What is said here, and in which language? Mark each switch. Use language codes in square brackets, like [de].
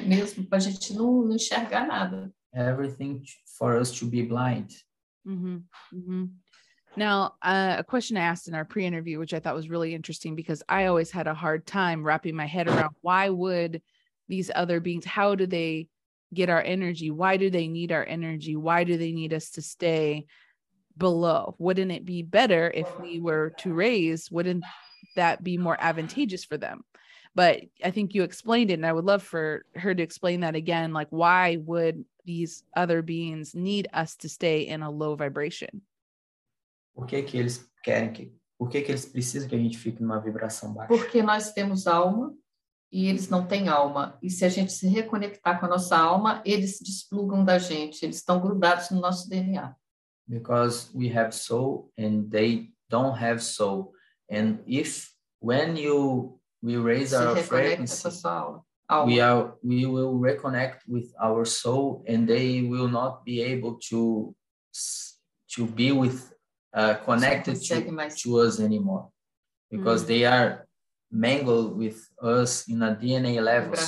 [pt] Mesmo para a gente não enxergar nada. [en] Everything for us to be blind. Mm-hmm. Mm-hmm. Now, a question I asked in our pre-interview, which I thought was really interesting, because I always had a hard time wrapping my head around why would these other beings, how do they get our energy? Why do they need our energy? Why do they need us to stay below? Wouldn't it be better if we were to raise? Wouldn't that be more advantageous for them? But I think you explained it, and I would love for her to explain that again. Like, why would these other beings need us to stay in a low vibration? [pt] Por que que eles precisam que a gente fique numa vibração baixa? Porque nós temos alma e eles não têm alma. E se a gente se reconectar com a nossa alma, eles desplugam da gente. Eles estão grudados no nosso DNA. [en] Because we have soul and they don't have soul. And if, when you... We raise [pt] se [en] our frequency. [pt] Alma. [en] We will reconnect with our soul, and they will not be able to be with connected to us anymore, because they are mangled with us in a DNA level.